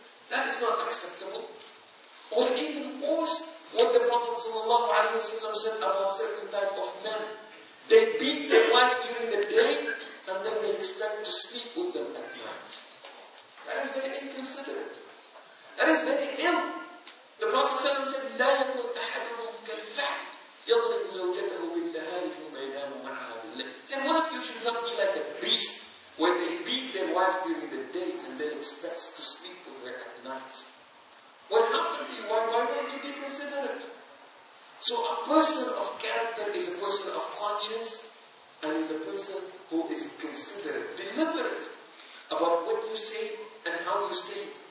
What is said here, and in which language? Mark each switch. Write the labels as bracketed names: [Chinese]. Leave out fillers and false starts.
[English] That is not acceptable. Or even worse, what the Prophet said about certain type of men. They beat their wives during the day and then they expect to sleep with them at night. That is very inconsiderate. That is very ill. The Prophet said, [Arabic] "لا يكون أحدهم كالفحل يضرب زوجته بالدهان ثم ينام معها بالليل." [English] Say, one of you should not be like a beast where they beat their wives during the day and then expect to sleep with her at night. What happened to you? Why won't you be considerate? So a person of character is a person of conscience and is a person who is considerate, deliberate about what you say and how you say.